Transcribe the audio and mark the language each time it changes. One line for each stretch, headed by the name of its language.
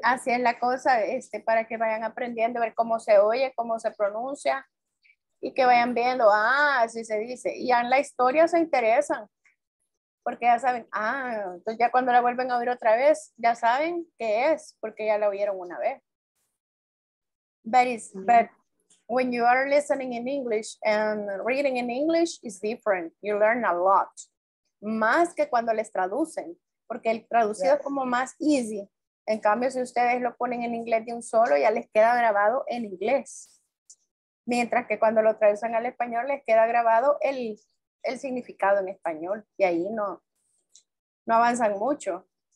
Spanish: Así es la cosa, para que vayan aprendiendo, ver cómo se oye, cómo se pronuncia, y que vayan viendo, así se dice. Y ya en la historia se interesan, porque ya saben, entonces ya cuando la vuelven a oír otra vez, ya saben qué es, porque ya la oyeron una vez.
English: But when you are listening in English and reading in English, it's different. You learn a lot.
Spanish: Más que cuando les traducen, porque el traducido es como más easy. En cambio, si ustedes lo ponen en inglés de un solo, ya les queda grabado en inglés. Mientras que cuando lo traducen al español les queda grabado el significado en español y ahí no avanzan mucho.